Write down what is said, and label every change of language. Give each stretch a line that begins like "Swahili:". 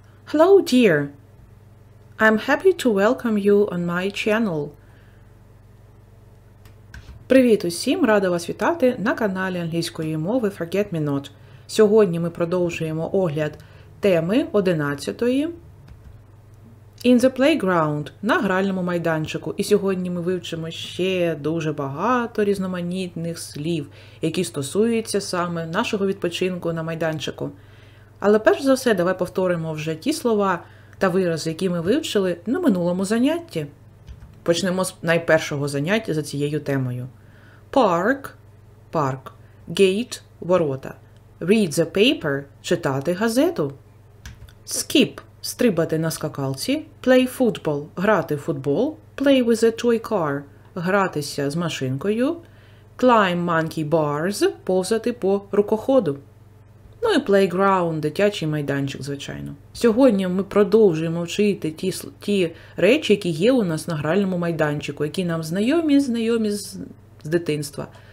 English: Hello dear, I'm happy to welcome you on my channel.
Ukrainian: Привіт усім, рада вас вітати на каналі англійської мови Forget Me Not. Сьогодні ми продовжуємо огляд теми 11-ї In the Playground на гральному майданчику. І сьогодні ми вивчимо ще дуже багато різноманітних слів, які стосуються саме нашого відпочинку на майданчику. Але перш за все, давай повторимо вже ті слова та вирази, які ми вивчили на минулому занятті. Почнемо з найпершого заняття за цією темою.
English: Park – парк. Gate – ворота. Read the paper –
Ukrainian: читати газету. Skip – стрибати на скакалці.
English: Play football
Ukrainian: – грати в футбол.
English: Play with a toy car –
Ukrainian: гратися з машинкою.
English: Climb monkey bars –
Ukrainian: повзати по рукоходу. Ну і playground, дитячий майданчик, звичайно. Сьогодні ми продовжуємо вчити ті речі, які є у нас на гральному майданчику, які нам знайомі з дитинства.